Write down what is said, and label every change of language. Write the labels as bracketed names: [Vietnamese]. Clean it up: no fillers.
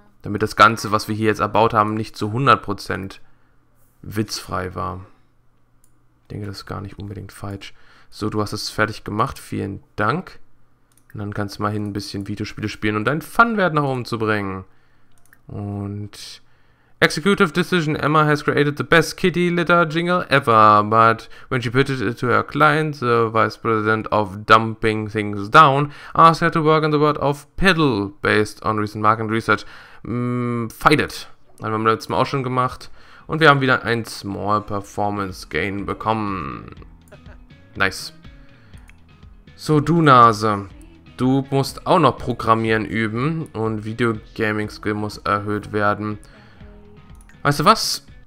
[German] Damit das Ganze, was wir hier jetzt erbaut haben, nicht zu 100% witzfrei war. Ich denke, das ist gar nicht unbedingt falsch. So, du hast es fertig gemacht. Vielen Dank. Und dann kannst du mal hin ein bisschen Videospiele spielen, um deinen Fun-Wert nach oben zu bringen. [English] Und Executive Decision: Emma has created the best kitty litter jingle ever, but when she pitched it to her client, the vice president of Dumping Things Down, asked her to work on the word of Piddle based on recent market research. Fight it. [German] Haben wir letztes Mal auch schon gemacht. Und wir haben wieder ein [English] Small Performance Gain [German] bekommen. Nice. So, du Nase. Du musst auch noch Programmieren üben und Videogaming Skill muss erhöht werden. Weißt du was?